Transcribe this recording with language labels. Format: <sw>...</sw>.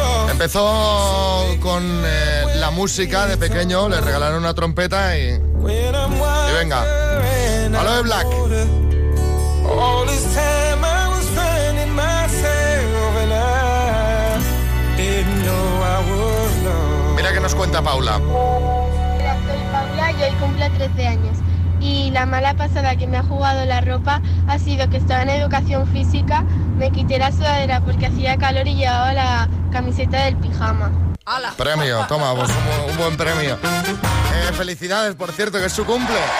<es>Empezó con la música de pequeño, le regalaron una trompeta y venga, Aloe Black.</es> <en>All this time I was finding myself and I didn't know I was lost.</en> <es>Mira que nos cuenta Paula. Hola, soy Paula y hoy cumplo 13 años. Y la mala pasada que me ha jugado la ropa ha sido que estaba en educación física, me quité la sudadera porque hacía calor y llevaba la camiseta del pijama. ¡Hala! Premio, toma, pues un buen premio. Felicidades, por cierto, que es su cumple.</es>